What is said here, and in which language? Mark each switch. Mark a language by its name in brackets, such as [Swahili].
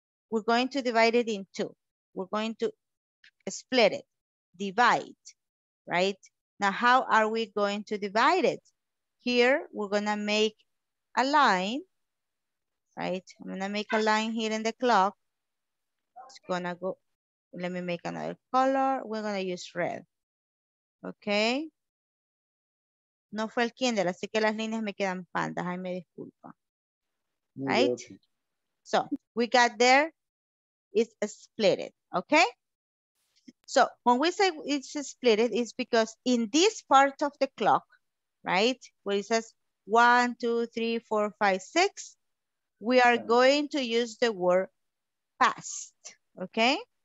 [English] We're going to divide it in two. We're going to split it, divide, right? Now, how are we going to divide it? Here, we're gonna make a line, right? I'm gonna make a line here in the clock. It's gonna go, let me make another color. We're gonna use red, okay? [Spanish] No fue el Kindle, así que las líneas me quedan pandas. Ay, me disculpa, right? [English] So, we got there, it's split it, okay? So when we say it's split, it's because in this part of the clock, right, where it says 1, 2, 3, 4, 5, 6, we are going to use the word past, okay?